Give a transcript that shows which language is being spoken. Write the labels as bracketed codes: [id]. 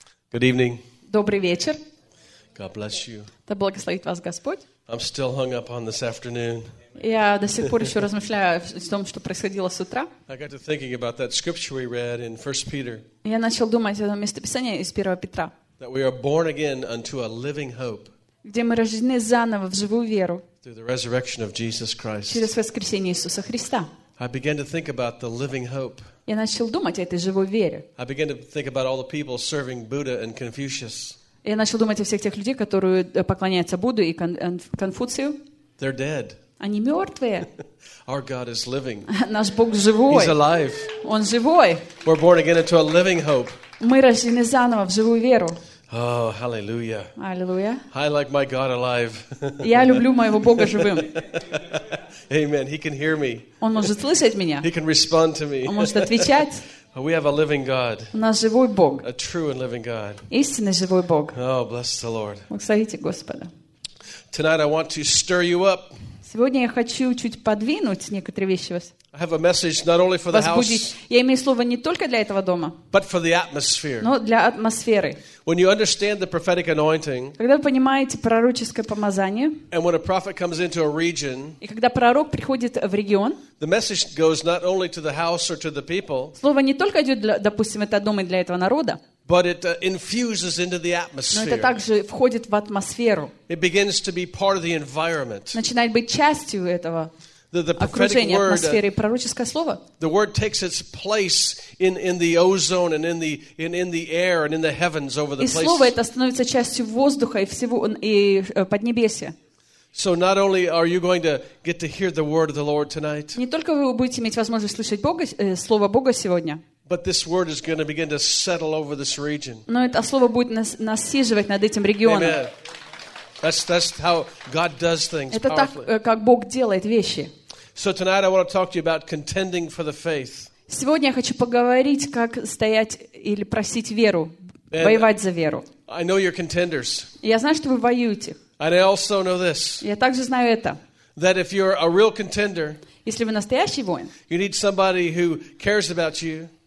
[en] Good evening. [ru] Добрый вечер. [en] God bless you. [ru] Да благословит вас Господь. [en] I'm still hung up on this afternoon. [ru] Я до сих пор еще размышляю о том, что происходило с утра. [en] I got to thinking about that scripture we read in 1 Peter. [ru] Я начал думать о том местописании из 1 Петра. [en] That we are born again unto a living hope. [ru] Где мы рождены заново в живую веру. [en] Through the resurrection of Jesus Christ. [ru] Через воскресение Иисуса Христа. [en] I began to think about the living hope. [ru] Я начал думать о этой живой вере. [en] I began to think about all the people serving Buddha and Confucius. [ru] Я начал думать о всех тех людей, которые поклоняются Будде и Конфуцию. [en] They're dead. [ru] Они мертвые. [en] Our God is living. [ru] Наш Бог живой. [en] He's alive. [ru] Он живой. [en] We're born again into a living hope. [ru] Мы рождены заново в живую веру. [en] Oh, hallelujah. [ru] Hallelujah. [en] I like my God alive. [ru] Я люблю моего Бога живым. [en] Amen. He can hear me. [ru] Он может слышать меня. [en] He can respond to me. [ru] Он может отвечать. [en] We have a living God. [ru] У нас живой Бог. [en] A true and living God. [ru] Истинный живой Бог. [en] Oh, bless the Lord. [ru] Благословите Господа. [en] Tonight I want to stir you up. [ru] Сегодня я хочу чуть подвинуть некоторые вещи вас. [en] I have a message not only for the house. [ru] Я имею слово не только для этого дома. [en] But for the atmosphere. [ru] Но для атмосферы. [en] When you understand the prophetic anointing. [ru] Когда вы понимаете пророческое помазание. [en] And when a prophet comes into a region. [ru] И когда пророк приходит в регион. [en] The message goes not only to the house or to the people. [ru] Слово не только идет, допустим, это дом и для этого народа. [en] But it infuses into the atmosphere. [ru] Но это также входит в атмосферу. [en] It begins to be part of the environment. [ru] Начинает быть частью этого. [en] The prophetic word, [ru] атмосферы, пророческое слово. [en] The word takes its place in the ozone and in the air and in the heavens over the place. [ru] И слово это становится частью воздуха и всего и поднебесья. [en] So not only are you going to get to hear the word of the Lord tonight. [ru] Не только вы будете иметь возможность слышать Бога, слово Бога сегодня. [en] But this word is going to begin to settle over this region. [ru] Но это слово будет насиживать над этим регионом. [en] Amen. That's how God does things. [ru] Это так, как Бог делает вещи. [en] So tonight I want to talk to you about contending for the faith. [ru] Сегодня я хочу поговорить, как стоять или просить веру, воевать за веру. [en] I know you're contenders. [ru] Я знаю, что вы воюете. [en] And I also know this. [ru] Я также знаю это. [en] That if you're a real contender, [ru] если вы настоящий воин, [en] you need somebody who cares about you.